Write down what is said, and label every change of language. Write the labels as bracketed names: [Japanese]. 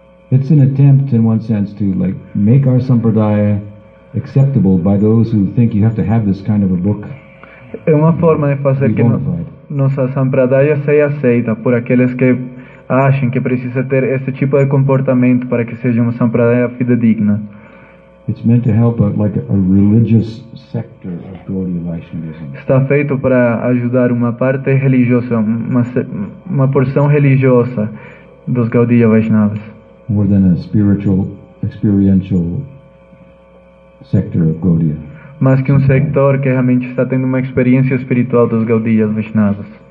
[English] It's an attempt, in one sense, to like make our sampradaya acceptable by those who think you have to have this kind of a book. [Portuguese] É uma forma de fazer que nossa sampradaya seja aceita por aqueles que acham que precisa ter esse tipo de comportamento para que seja uma sampradaya fidedigna. [English] It's meant to help a religious sector of Gaudiya Vaishnavism. [Portuguese] Está feito para ajudar uma parte religiosa, uma porção religiosa dos Gaudiya Vaishnavas. [English] More than a spiritual, experiential sector of Gaudiya. [Portuguese] Mais que sector que realmente está tendo uma experiência espiritual dos Gaudiyas Vaishnavas.